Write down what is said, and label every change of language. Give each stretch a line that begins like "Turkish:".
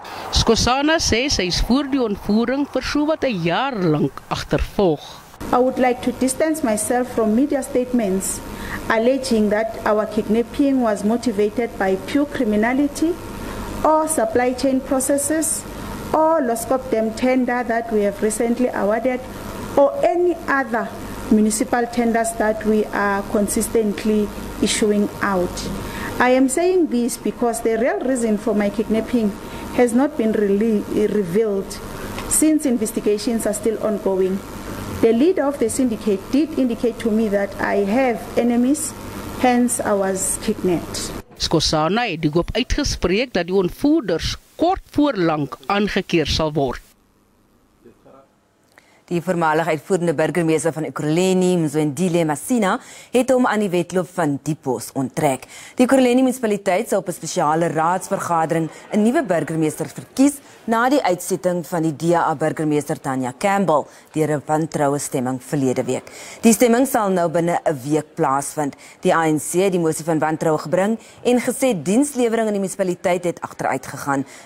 Afrikaans: Skosana sê sy is voor die ontvoering vir so wat 'n jaar lank agtervolg.
English: I would like to distance myself from media statements alleging that our kidnapping was motivated by pure criminality or supply chain processes or loskop dem tender that we have recently awarded or any other municipal tenders that we are consistently issuing out. I am saying this because the real reason for my kidnapping has not been revealed since investigations are still ongoing. The leader of the syndicate did indicate to me that I have enemies, hence I was kidnapped.
Afrikaans: Skosana het die groep uitgespreek dat die ontvoerders kort voor lank aangekeer sal word. Die voormalige uitvoerende burgemeester van Ekurhuleni, Mzwandile Masina, het hom aan die wedloop van die pos onttrek. Die Ekurhuleni munisipaliteit sal op 'n spesiale raadsvergadering 'n nuwe burgemeester verkies na die uitsetting van die DA burgemeester Tanya Campbell deur 'n wantroue stemming verlede week. Die stemming sal nou binne 'n week plaasvind. Die ANC het die motie van wantroue gebring en gesê dienslewering in die munisipaliteit het agteruit gegaan.